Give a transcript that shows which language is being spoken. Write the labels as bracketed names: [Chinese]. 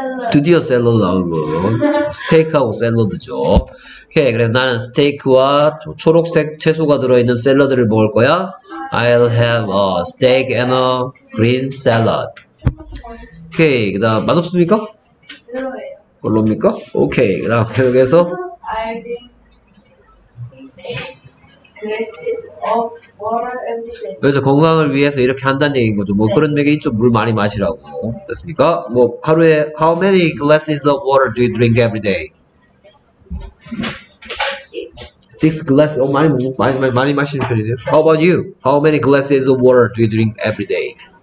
[Korean] 드디어 샐러드 나온 거. 스테이크하고 샐러드죠. 오케이, 그래서 나는 스테이크와 초록색 채소가 들어있는 샐러드를 먹을 거야. [English] I'll have a steak and a green salad. [Korean] 오케이, 그 다음 맛없습니까? 별로예요. 별로입니까? 오케이, 그 다음 계속해서 [English] I drink glasses of water every day. [Korean] 그래서 건강을 위해서 이렇게 한다는 얘기인거죠. 뭐 네. 그런 얘기 있죠. 물 많이 마시라고. 됐습니까? 뭐 하루에 [English] How many glasses of water do you drink every day? Six. Six glasses. [Korean] 많이 마시는 편이네요. [English] How about you? How many glasses of water do you drink every day?